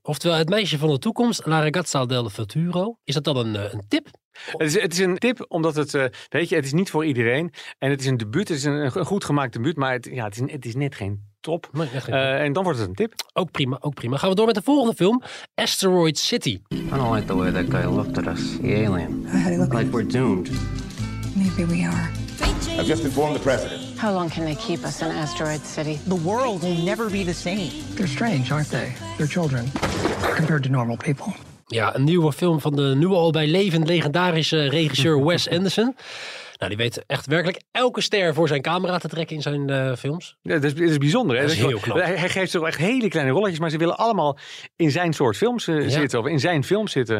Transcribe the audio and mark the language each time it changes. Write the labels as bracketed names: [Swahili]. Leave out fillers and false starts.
[Dutch] Oftewel, het meisje van de toekomst, [Italian] La ragazza del futuro, [Dutch] is dat dan een tip? Het is een tip, omdat het, weet je, het is niet voor iedereen. En het is een debuut, het is een goed gemaakt debuut, maar het is net geen top. En dan wordt het een tip. Ook prima, ook prima. Gaan we door met de volgende film, Asteroid City. [English] I don't like the way that guy looked at us, the alien. Like we're doomed. Maybe we are. I've just informed the president. How long can they keep us in Asteroid City? The world will never be the same. They're strange, aren't they? They're children, compared to normal people. [Dutch] Ja, een nieuwe film van de nu al bij levend legendarische regisseur Wes Anderson. Nou, die weet echt werkelijk elke ster voor zijn camera te trekken in zijn films. Ja, dat is bijzonder. Dat is heel knap. Hij geeft zich echt hele kleine rolletjes, maar ze willen allemaal in zijn soort films zitten. Of in zijn film zitten.